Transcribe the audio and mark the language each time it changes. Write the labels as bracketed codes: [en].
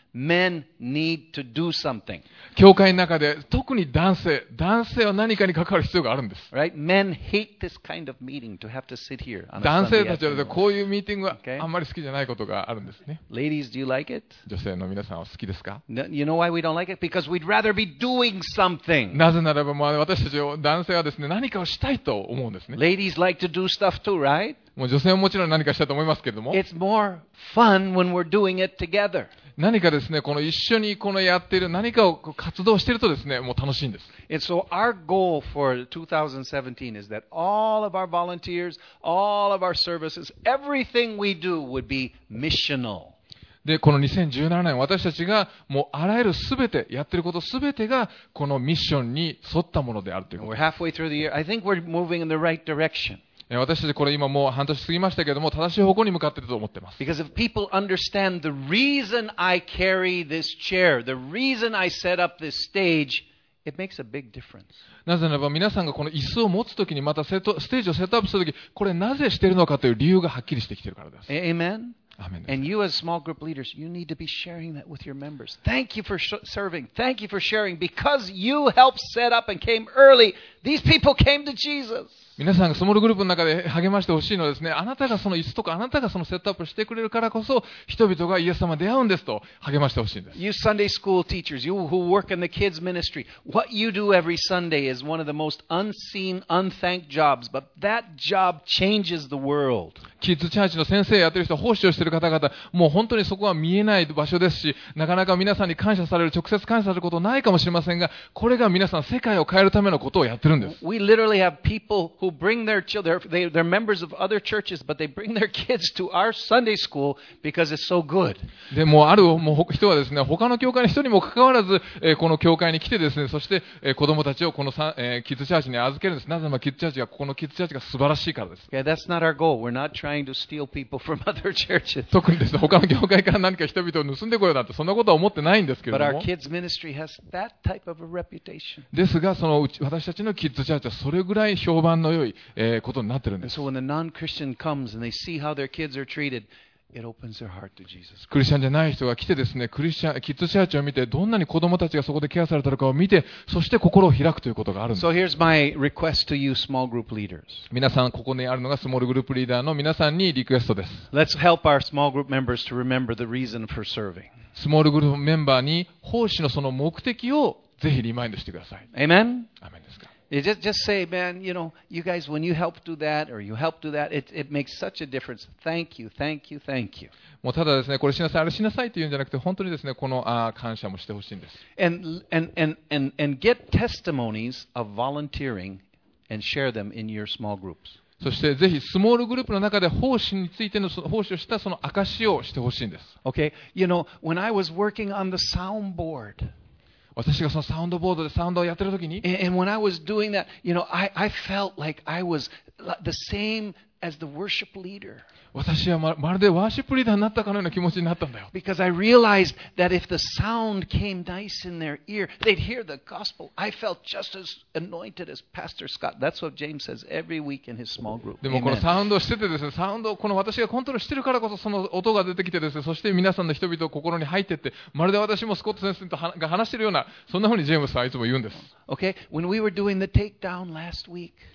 [en] Men need to do something. [ja] 教会の中で特に男性は何かに関わる必要があるんです。 [en] Right? Men hate this kind of meeting to have to sit here on a [ja] 男性たちはこういうミーティングはあんまり好きじゃないことがあるんですね。 [en] Ladies, do you like it? [ja] 女性の皆さんは好きですか？ [en] You know why we don't like it? Because we'd rather be doing something. [ja] なぜならば、まあ、私たち男性はですね、何かをしたいと思うんですね。 [en] Ladies like to do stuff too, right? [ja] もう女性ももちろん何かしたいと思いますけれども。 [en] It's more fun when we're doing it together. [ja] 何かですね、この一緒にこのやっている何かを活動しているとですね、もう楽しいんです。 [en] And so our goal for 2017 is that all of our volunteers, all of our services, everything we do would be missional. [ja] で、この2017年、私たちがもうあらゆるすべて、やっていることすべてがこのミッションに沿ったものであるということ。 [en] We're halfway through the year. I think we're moving in the right direction. [ja] 私たちこれ今もう半年過ぎましたけれども、正しい方向に向かっていると思っています。 [en] Because if people understand the reason I carry this chair, the reason I set up this stage, it makes a big difference. [ja] なぜならば皆さんがこの椅子を持つときに、またステージをセットアップするとき、これなぜしているのかという理由がはっきりしてきているからです。 [en] Amen? Amen. And you as small group leaders, you need to be sharing that with your members. Thank you for serving. Thank you for sharing. Because you helped set up and came early, these people came to Jesus. [ja] 皆さんがスモールグループの中で励ましてほしいのはですね、あなたがその椅子とかあなたがそのセットアップしてくれるからこそ、人々がイエス様出会うんですと励ましてほしいんです。 [en] You Sunday school teachers, you who work in the kids ministry, what you do every Sunday is one of the most unseen, unthanked jobs, but that job changes the world. [ja] キッズチャーチの先生やってる人、奉仕をしている方々、もう本当にそこは見えない場所ですし、なかなか皆さんに感謝される、直接感謝することないかもしれませんが、これが皆さん世界を変えるためのことをやってるんです。 [en] We literally have people who bring their children, they're members of other churches, but they bring their kids to our Sunday school because it's so good. [ja] でもある人はですね、他の教会の人にもかかわらず、この教会に来てですね、そして子供たちをこのキッズチャーチに預けるんです。なぜならばキッズチャーチが、ここのキッズチャーチが素晴らしいからです。 [en] Yeah, that's not our goal. We're not trying to steal people from other churches. [ja] 特にですね、他の教会から何か人々を盗んでこようなんて、そんなことは思ってないんですけれども。 [en] But our kids ministry has that type of a reputation. [ja] ですが、その私たちのキッズチャーチはそれぐらい評判の良い、ことになってるんです。 [en] And so when the non-Christian comes and they see how their kids are treated, it opens their heart to Jesus Christ. [ja] クリスチャンじゃない人が来てですね、キッズチャーチを見て、どんなに子供たちがそこでケアされたのかを見て、そして心を開くということがあるんです。 [en] So here's my request to you small group leaders. [ja] 皆さん、ここにあるのがスモールグループリーダーの皆さんにリクエストです。 [en] Let's help our small group members to remember the reason for serving. [ja] スモールグループメンバーに奉仕のその目的をぜひリマインドしてください。 [en] Amen? [ja] アメンですか。 [en] Just say, man, you know, you guys, when you help do that or you help do that, it makes such a difference. Thank you, thank you, thank you. [ja] もうただですね、これしなさい、あれしなさいというんじゃなくて、本当にですね、この感謝もしてほしいんです。 [en] And get testimonies of volunteering and share them in your small groups. [ja] そしてぜひスモールグループの中で奉仕についての奉仕をしたその証をしてほしいんです。 [en] Okay, you know, when I was working on the soundboard. [ja] 私がそのサウンドボードでサウンドをやってるときに、 [en] And when I was doing that, you know, I felt like I was the same as the worship leader. [ja] 私はまるでワーシップリーダーになったかのような気持ちになったんだよ。 [en] Because I realized that if the sound came nice in their ear, they'd hear the gospel. I felt just as anointed as Pastor Scott. That's what James says every week in his small group. [ja] でもこのサウンドをしててですね、サウンドをこの私がコントロールしてるからこそその音が出てきてですね、そして皆さんの人々を心に入ってって、まるで私もスコット先生とが話してるような、そんな風にジェームスさんはいつも言うんです。 [en] Okay, when we were doing the takedown last week,